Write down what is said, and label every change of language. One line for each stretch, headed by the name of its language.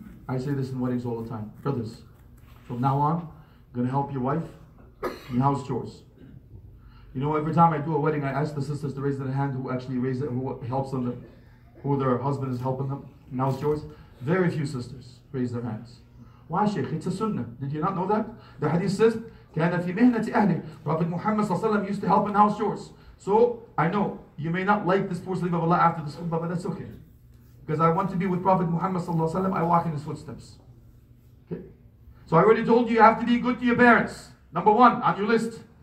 English: I say this in weddings all the time. Brothers, from now on, gonna help your wife in house chores. You know, every time I do a wedding, I ask the sisters to raise their hand who actually raises it, who helps them, who their husband is helping them in house chores. Very few sisters raise their hands. Why, Sheikh? It's a sunnah. Did you not know that? The hadith says,
Arabic: كان في مهنة أهلي.
English: Prophet Muhammad صلى الله عليه وسلم used to help in house chores. So I know you may not like this poor slave of Allah after this khutbah, but that's okay. Because I want to be with Prophet Muhammad صلى الله عليه وسلم, I walk in his footsteps. Okay? So I already told you, you have to be good to your parents. Number one on your list.